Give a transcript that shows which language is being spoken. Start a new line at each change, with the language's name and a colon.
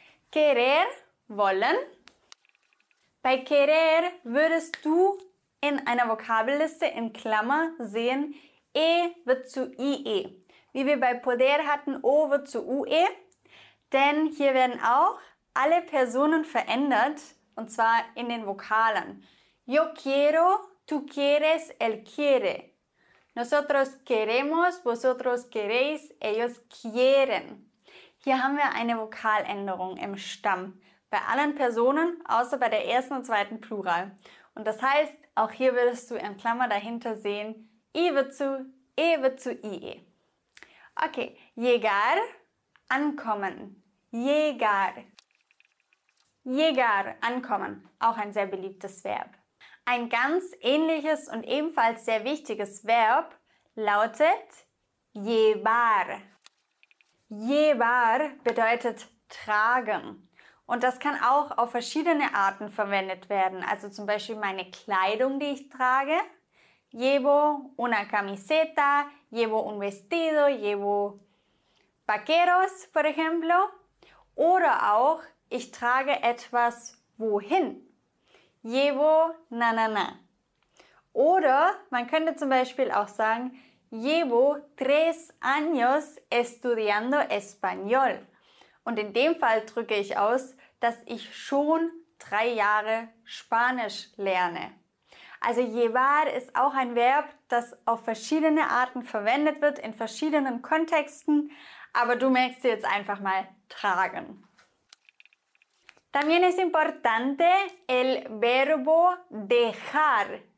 German: Querer, wollen. Bei querer würdest du in einer Vokabelliste in Klammer sehen, e wird zu ie. Wie wir bei poder hatten, o wird zu ue. Denn hier werden auch alle Personen verändert, und zwar in den Vokalen.
Spanish: Yo quiero, tú quieres, él quiere. Nosotros queremos, vosotros queréis, ellos quieren.
German: Hier haben wir eine Vokaländerung im Stamm. Bei allen Personen, außer bei der ersten und zweiten Plural. Und das heißt, auch hier würdest du in Klammer dahinter sehen, I wird zu, E wird zu IE. Okay, llegar, ankommen. Llegar. Llegar, ankommen. Auch ein sehr beliebtes Verb. Ein ganz ähnliches und ebenfalls sehr wichtiges Verb lautet llevar. Llevar bedeutet tragen. Und das kann auch auf verschiedene Arten verwendet werden. Also zum Beispiel meine Kleidung, die ich trage.
Spanish: Llevo una camiseta, llevo un vestido, llevo vaqueros, por ejemplo.
German: Oder auch, ich trage etwas wohin. Llevo na na na. Oder man könnte zum Beispiel auch sagen,
Spanish: llevo tres años estudiando español.
German: Und in dem Fall drücke ich aus, dass ich schon 3 Jahre Spanisch lerne. Also llevar ist auch ein Verb, das auf verschiedene Arten verwendet wird, in verschiedenen Kontexten. Aber du merkst dir jetzt einfach mal tragen.
Spanish: También es importante el verbo dejar.